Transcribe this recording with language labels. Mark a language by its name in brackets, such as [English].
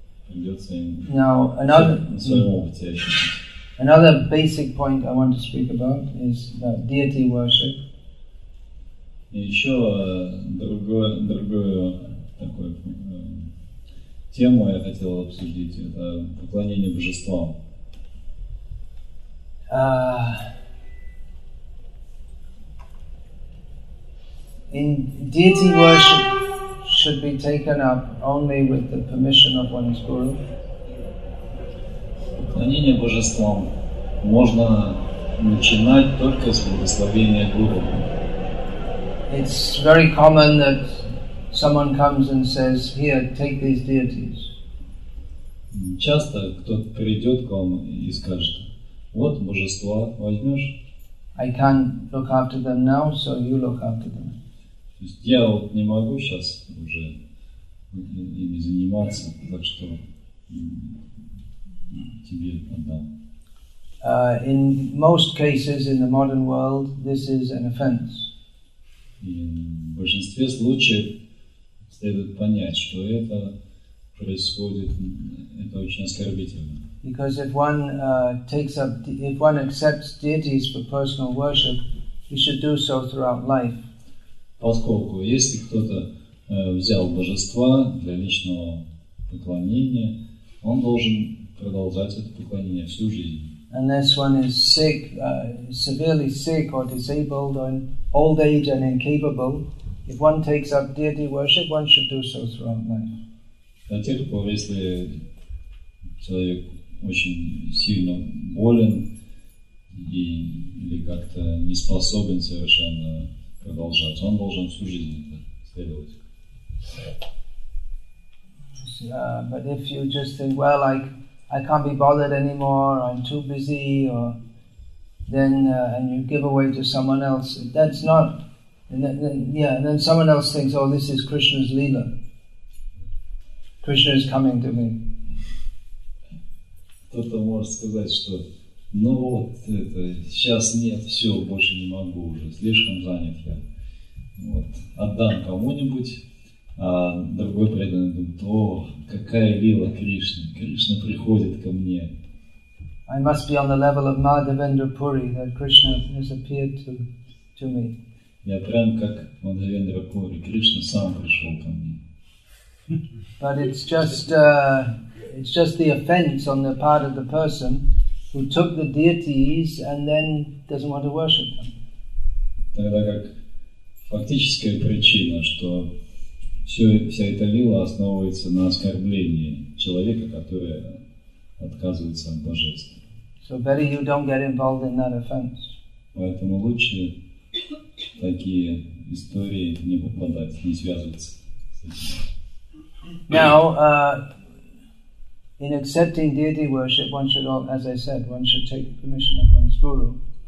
[English] Now another basic point I want to speak about is that deity worship. [Russian] Еще другую такую тему я хотел обсудить, это поклонение божествам. [English] In deity worship should be taken up only with the permission of one's guru. [Russian] Поклонение божествам можно начинать только с благословения гуру. [English] It's very common that someone comes and says, "Here, take these deities." [Russian] Часто кто-то придет к вам и скажет: "Вот божества, возьмешь?" [English] I can't look after them now, so you look after them. [Russian] То есть я вот не могу сейчас уже ими заниматься, так что тебе отдам. [English] In most cases in the modern world, this is an offense. [Russian] И в большинстве случаев следует понять, что это происходит, это очень оскорбительно. [English] Because if one takes up, if one accepts deities for personal worship, he should do so throughout life. [Russian] Поскольку если кто-то взял божества для личного поклонения, он должен продолжать это поклонение всю жизнь. [English] Unless one is sick, severely sick or disabled or in old age and incapable, if one takes up deity worship, one should do so throughout life. [Russian] До тех пор, если человек очень сильно болен и или как-то не способен совершенно продолжать, он должен всю жизнь это следовать. [English] But if you just think, well, like I can't be bothered anymore, I'm too busy, or then and you give away to someone else, that's not, and then someone else thinks, oh, this is Krishna's leela. Krishna is coming to me. [Russian] Кто-то может сказать, что ну вот, это, сейчас нет, все, больше не могу уже, слишком занят я. Вот, отдам кому-нибудь, а другой преданный думает, о, какая лила Кришны, Кришна приходит ко мне. [English] I must be on the level of Madhavendra Puri, that Krishna has appeared to me. [Russian] Я прям как Мадхавендра Пури, Кришна сам пришел ко мне. [English] But it's just the offense on the part of the person who took the deities and then doesn't want to worship them. [Russian] Тогда как фактическая причина, что вся эта лила основывается на оскорблении человека, который отказывается от божества. [English] So better you don't get involved in that offense. [Russian] Поэтому лучше такие истории не попадать, не связываться с этим. [English] Now, in accepting deity worship, one should, all, as I said, one should take permission of one's guru.